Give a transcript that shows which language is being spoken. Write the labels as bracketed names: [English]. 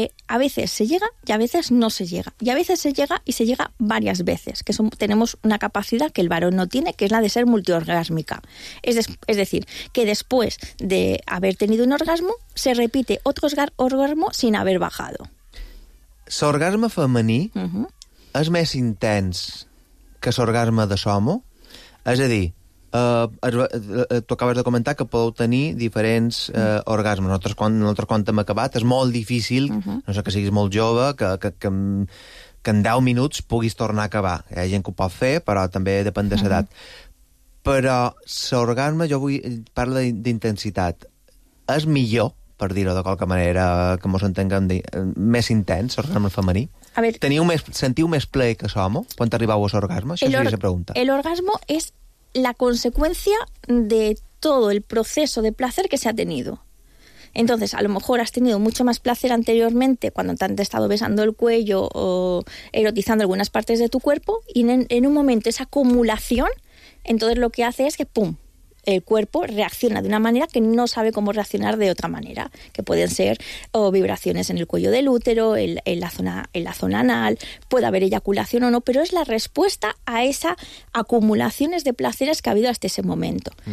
[Spanish] A veces se llega y a veces no se llega. Y a veces se llega y se llega varias veces, que tenemos una capacidad que el varón no tiene, que es la de ser multiorgásmica. Es decir, que después de haber tenido un orgasmo, se repite otro orgasmo sin haber bajado. [Catalan] L'orgasme femení és més intens que l'orgasme de l'home? És a dir, tu acabes de comentar que podeu tenir diferents orgasmes. Nosaltres quan hem acabat, és molt difícil, no sé, que siguis molt jove, que en 10 minuts puguis tornar a acabar. Hi ha gent que ho pot fer, però també depèn de l'edat. Però l'orgasme, jo vull parlar d'intensitat, és millor, per dir-ho de qualque manera, que mos entenguem, més intens, l'orgasme femení? [Spanish] A ver, [Catalan] ¿teniu més, sentiu més plaer que l'home quan arribau a l'orgasme? Això seria la pregunta. [Spanish] El orgasmo [Catalan] és la conseqüència de tot el procés de placer que s'ha tingut. [Spanish] Entonces, a lo mejor has tenido mucho más placer anteriormente cuando te han estado besando el cuello o erotizando algunas partes de tu cuerpo y en un momento esa acumulación, entonces lo que hace es que ¡pum! El cuerpo reacciona de una manera que no sabe cómo reaccionar de otra manera, que pueden ser vibraciones en el cuello del útero, en la zona anal, puede haber eyaculación o no, pero es la respuesta a esas acumulaciones de placeres que ha habido hasta ese momento.